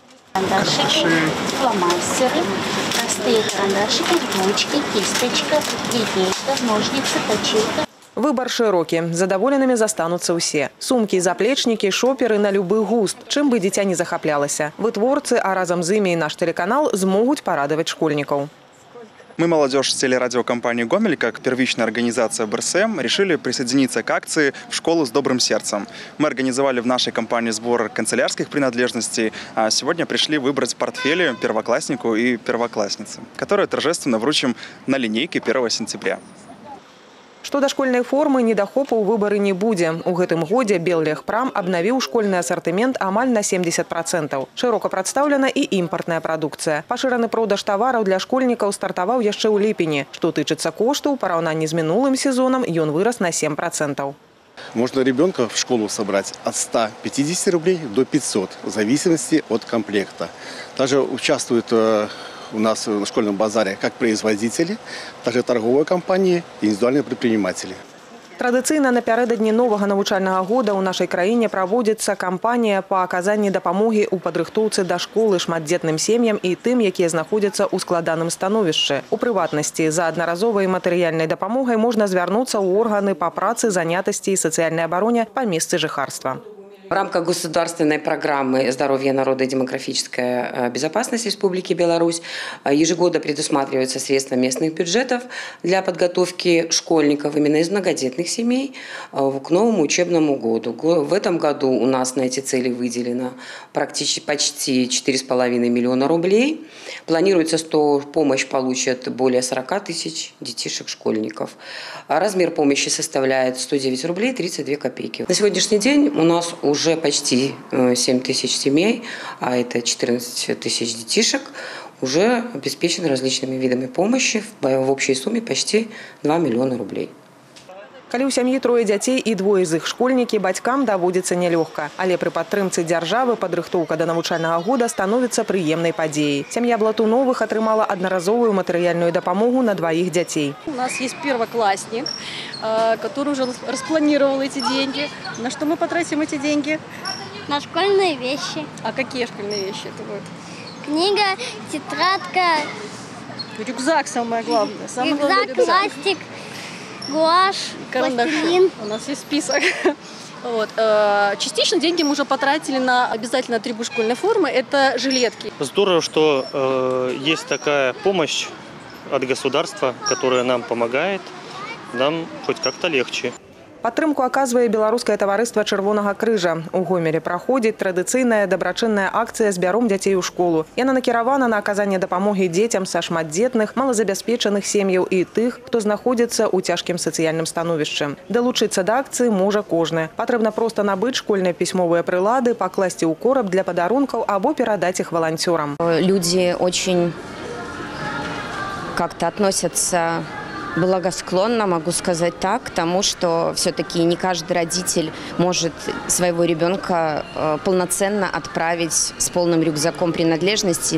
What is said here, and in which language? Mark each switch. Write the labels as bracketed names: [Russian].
[Belarusian] Карандашыкі, фламастеры, простыя карандашыкі, ручкі, кісточка, гілейка, ножніцы, точилка. Выбар шырокі. Задаволенымі застануцца ўсе. Сумкі, заплечнікі, шоперы на любы густ, чым бы дзіця не захаплялася. Вытворцы, а разам з імі і наш тэлеканал, змогуць парадаваць школьнікаў. [Russian] Мы, молодежь телерадиокомпании «Гомель», как первичная организация БРСМ, решили присоединиться к акции «В школу с добрым сердцем». Мы организовали в нашей компании сбор канцелярских принадлежностей, а сегодня пришли выбрать портфели первокласснику и первокласснице, которые торжественно вручим на линейке 1 сентября. [Belarusian] Што да школьнай формы, недахопу ў выбары не будзе. У гэтым годзе «Беллегпрам» абнавіў школьны асартымент амаль на 70%. Шырока прадстаўлена і імпартная прадукцыя. Пашыраны продаж тавараў для школьнікаў стартаваў яшчэ ў ліпені. Што тычыцца кошту, ў параўнанні з мінулым сезонам ён вырас на 7%. [Russian] Можно ребенка в школу собрать от 150 рублей до 500, в зависимости от комплекта. Также участвуют у нас на школьном базаре как производители, так и торговые компании, индивидуальные предприниматели. [Belarusian] Традыцыйна напярэдадні новага навучальнага года ў нашай краіне праводзіцца кампанія па аказанні дапамогі ў падрыхтоўцы да школы шматдзетным сем'ям і тым, якія знаходзяцца ў складаным становішчы. У прыватнасці, за аднаразовай матэрыяльнай дапамогай можна звярнуцца ў органы па працы, занятасці і сацыяльнай абароне па месцы жыхарства. [Russian] В рамках государственной программы «Здоровье народа и демографическая безопасность Республики Беларусь» ежегодно предусматриваются средства местных бюджетов для подготовки школьников именно из многодетных семей к новому учебному году. В этом году у нас на эти цели выделено практически почти 4,5 миллиона рублей. Планируется, что помощь получат более 40 тысяч детишек-школьников. Размер помощи составляет 109 рублей 32 копейки. На сегодняшний день у нас уже почти 7 тысяч семей, а это 14 тысяч детишек, уже обеспечены различными видами помощи в общей сумме почти 2 миллиона рублей. [Belarusian] Калі ў сям'і трое дзяцей і двое з іх школьнікі, бацькам даводзіцца нелёгка. Але пры падтрымцы дзяржавы падрыхтоўка да навучальнага года становіцца прыемнай падзеяй. Сям'я Блатуновых атрымала аднаразовую матэрыяльную дапамогу на дваіх дзяцей. У нас ёсць первакласнік, [Russian] который уже распланировал эти деньги. На что мы потратим эти деньги? На школьные вещи. А какие школьные вещи это будут? Книга, тетрадка. Рюкзак самое главное. Рюкзак, пластик. Гуашь, пластилин. У нас есть список. Вот. Частично деньги мы уже потратили на обязательно атрибут школьной формы. Это жилетки. Здорово, что есть такая помощь от государства, которая нам помогает. Нам хоть как-то легче. [Belarusian] Падтрымку аказвае Беларускае таварыства «Чырвонага крыжа». У Гомелі праходзіць традыцыйная дабрачынная акцыя «Збяром дзяцей у школу». Яна накіравана на аказанне дапамогі дзецям са шматдзетных, малазабяспечаных сем'яў і тых, хто знаходзіцца ў цяжкім сацыяльным становішчы. Далучыцца да акцыі можа кожны. Патрэбна проста набыць школьныя пісьмовыя прылады, пакласці ў кораб для падарункаў або перадаць іх валанцёрам. Людзі [Russian] как-то относяцца благосклонно, могу сказать так, тому, что все-таки не каждый родитель может своего ребенка полноценно отправить с полным рюкзаком принадлежностей.